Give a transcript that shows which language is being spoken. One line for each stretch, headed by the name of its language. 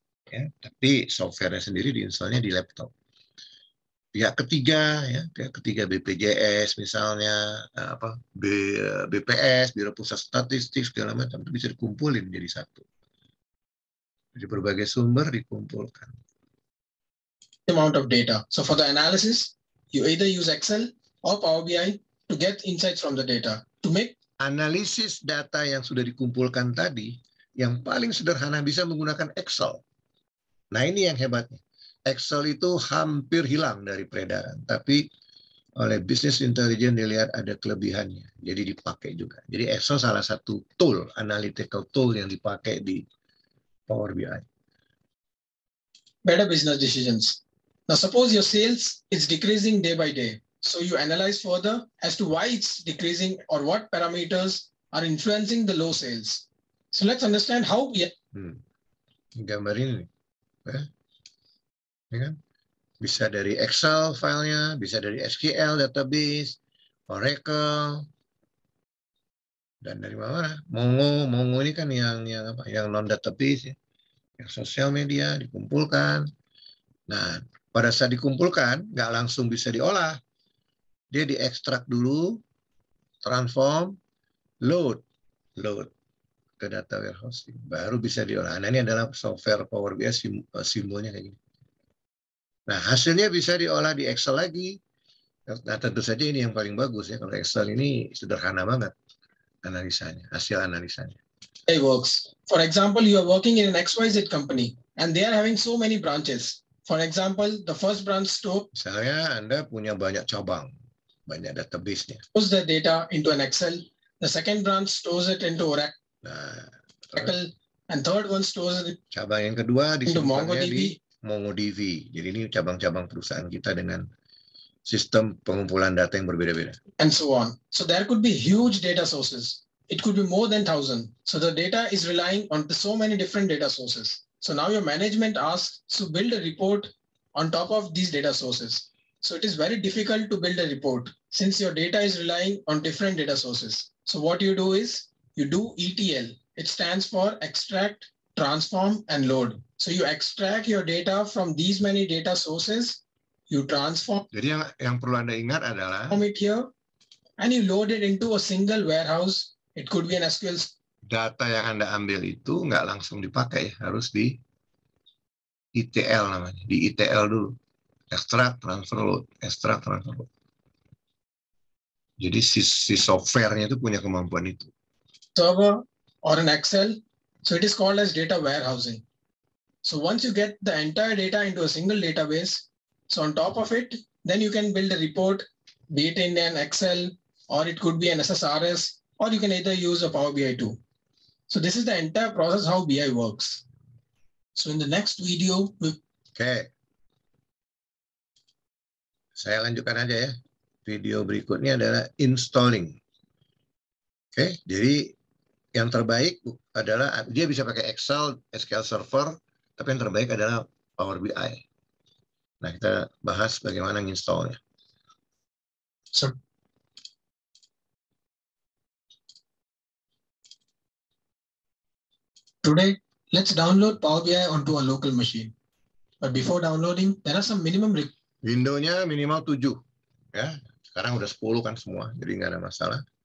Indonesian: Ya, tapi software-nya sendiri diinstalnya di laptop. Pihak ketiga BPJS misalnya, apa BPS, Biro Pusat Statistik segala macam itu bisa dikumpulin jadi satu. Jadi berbagai sumber dikumpulkan.
English: Amount of data. So for the analysis, you either use Excel or Power BI to get insights from the data to make
Indonesian: analisis data yang sudah dikumpulkan tadi, yang paling sederhana bisa menggunakan Excel. Nah, ini yang hebatnya. Excel itu hampir hilang dari peredaran. Tapi oleh business intelligence dilihat ada kelebihannya, jadi dipakai juga. Jadi Excel salah satu tool, analytical tool yang dipakai di Power BI.
English: Better business decisions. Now suppose your sales is decreasing day by day, so you analyze further as to why it's decreasing or what parameters are influencing the low sales. So let's understand how we.
Indonesian: Gambarin ini, ya kan? Bisa dari Excel filenya, bisa dari SQL database, Oracle, dan dari mana? Mongo ini kan yang apa? Yang non database, ya. Yang sosial media dikumpulkan. Nah, pada saat dikumpulkan, nggak langsung bisa diolah. Dia diekstrak dulu, transform, load ke data warehousing, baru bisa diolah. Nah, ini adalah software Power BI simbolnya kayak gini. Nah, hasilnya bisa diolah di Excel lagi. Nah, tentu saja ini yang paling bagus ya. Kalau Excel ini sederhana banget analisanya, hasil analisanya.
English: Hey, works. For example, you are working in an XYZ company and they are having so many branches. For example, the first branch store.
Indonesian: Misalnya Anda punya banyak cabang, banyak database-nya.
English: Stores the data into an Excel. The second branch stores it into Oracle. Nah, Oracle. And third one stores it.
Indonesian: Cabang yang kedua disimpannya di MongoDB. Jadi ini cabang-cabang perusahaan kita dengan sistem pengumpulan data yang berbeda-beda.
English: And so on. So there could be huge data sources. It could be more than 1,000. So the data is relying on so many different data sources. So now your management asks to build a report on top of these data sources. So it is very difficult to build a report since your data is relying on different data sources. So what you do is you do ETL. It stands for extract, transform, and load. So you extract your data from these many data sources. You transform.
Indonesian: Jadi yang perlu Anda ingat adalah.
English: Transform it here, and you load it into a single warehouse. It could be an SQL.
Indonesian: Data yang Anda ambil itu nggak langsung dipakai, harus di ETL namanya, di ETL dulu, extract, transfer, load, extract, transfer, load. Jadi si software-nya itu punya kemampuan itu.
English: Server or an Excel, so it is called as data warehousing. So once you get the entire data into a single database, so on top of it, then you can build a report, be it in an Excel or it could be an SSRS, or you can either use a Power BI tool. So this is the entire process how BI works. So in the next video, okay.
Indonesian: Saya lanjutkan aja ya. Video berikutnya adalah installing. Okay. Jadi yang terbaik adalah dia bisa pakai Excel, SQL Server, tapi yang terbaik adalah Power BI. Nah, kita bahas bagaimana menginstalnya.
English: So, today, let's download Power BI onto a local machine. But before downloading, there are some minimum
Indonesian: Window-nya minimal 7. Ya. Sekarang udah 10 kan semua, jadi nggak ada masalah.